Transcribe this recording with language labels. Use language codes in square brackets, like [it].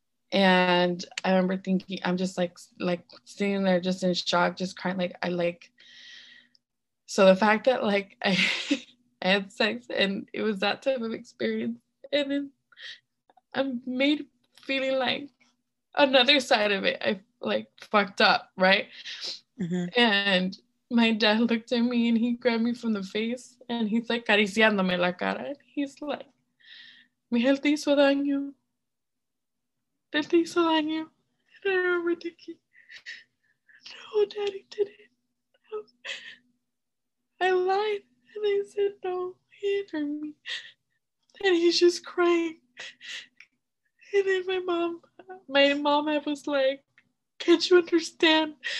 [en] And I remember thinking, I'm just like sitting there just in shock, just crying, like, I like, so the fact that, like, I had sex and it was that type of experience, and then I'm made feeling like another side of it, I, like, fucked up, right? Mm-hmm. And my dad looked at me and he grabbed me from the face and he's like, cariciándome la cara. And he's like, Miguel, te hizo daño. [es] Te hizo daño. [en] And I remember thinking, no, daddy didn't. I lied and I said, no, he hurt me. And he's just crying. And then my mom was like, can't you understand?